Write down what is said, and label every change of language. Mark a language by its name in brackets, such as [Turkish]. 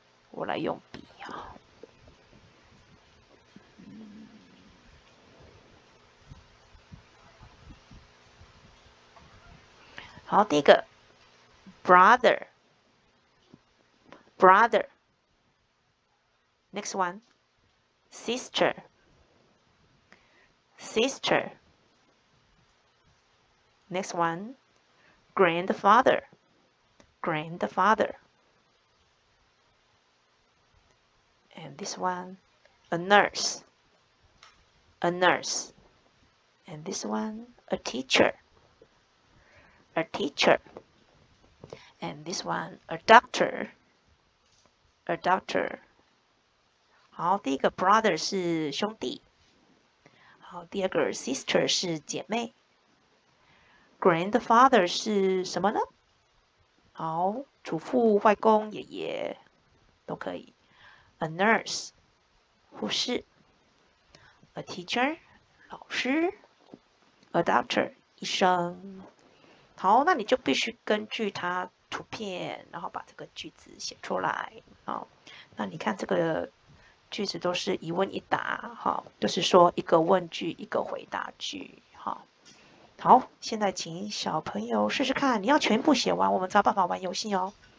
[Chinese] 我来用笔啊，好，第一个， [English] brother，brother，next one，sister，sister，next one，grandfather，grandfather。 And this one, a nurse, a nurse. And this one, a teacher, a teacher. And this one, a doctor, a doctor. [Chinese] 好，第一个 brother 是兄弟。好，第二个 sister 是姐妹。 Grandfather 是什么呢？好，祖父、外公、爷爷都可以。 [English] A nurse，护士；a teacher，老师；a doctor，医生。 [Chinese] 好，那你就必须根据它图片，然后把这个句子写出来。好，那你看这个句子都是一问一答，哈，就是说一个问句，一个回答句，哈。好，现在请小朋友试试看，你要全部写完，我们才有办法玩游戏哦。